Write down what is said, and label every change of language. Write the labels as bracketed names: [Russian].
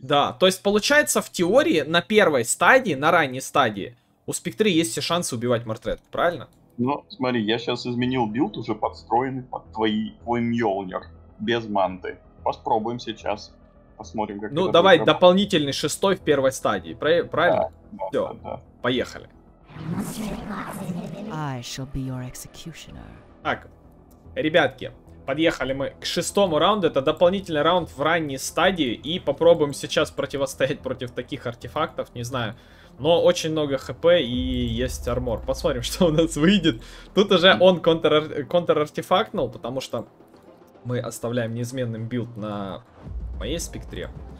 [Russian] Да, то есть, получается, в теории, на первой стадии, на ранней стадии, у спектры есть все шансы убивать Мартрет, правильно? Ну, смотри, я сейчас изменил билд, уже подстроенный под твой мьёлнир, без манты. Попробуем сейчас. Посмотрим, как ну, это давай, будет. Дополнительный шестой в первой стадии, правильно? Да, да, все, да. Поехали. [English] I shall be your executioner. [Russian] Так, ребятки, подъехали мы к шестому раунду. Это дополнительный раунд в ранней стадии. И попробуем сейчас противостоять против таких артефактов, не знаю. Но очень много хп и есть армор. Посмотрим, что у нас выйдет. Тут уже он контр-артефактнул, потому что мы оставляем неизменным билд на моей спектре.